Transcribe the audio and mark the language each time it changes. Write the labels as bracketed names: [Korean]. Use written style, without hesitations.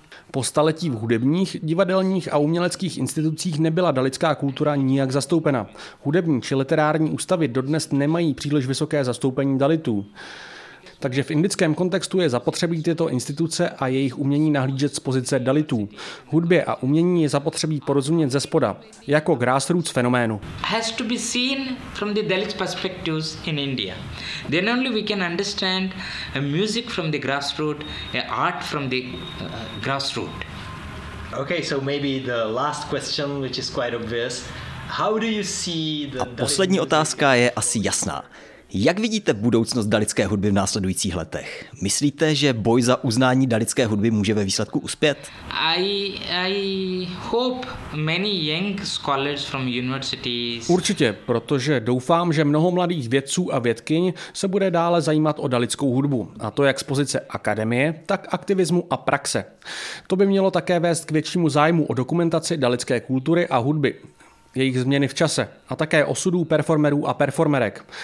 [Czech] Po staletí v hudebních, divadelních a uměleckých institucích nebyla dalitská kultura nijak zastoupena. Hudební či literární ústavy dodnes nemají příliš vysoké zastoupení dalitů. Takže v indickém kontextu je zapotřebí tyto instituce a jejich umění nahlížet z pozice dalitů. Hudbě a umění je zapotřebí porozumět zespoda, jako grassroots fenoménu. [English] Has to be seen from the dalit perspectives in India. Then only we can understand a music from the grassroots, a art from the grassroots. Okay, so maybe the last question, which is quite obvious. How do you see the [Czech] A poslední otázka je asi jasná. Jak vidíte budoucnost dalitské hudby v následujících letech? Myslíte, že boj za uznání dalitské hudby může ve výsledku uspět? [English] I hope many young scholars from universities. [Czech] Určitě, protože doufám, že mnoho mladých vědců a vědkyň se bude dále zajímat o dalitskou hudbu, a to jak z pozice akademie, tak aktivismu a praxe. To by mělo také vést k většímu zájmu o dokumentaci dalitské kultury a hudby. Jejich změny v čase a také osudů performerů a performerek.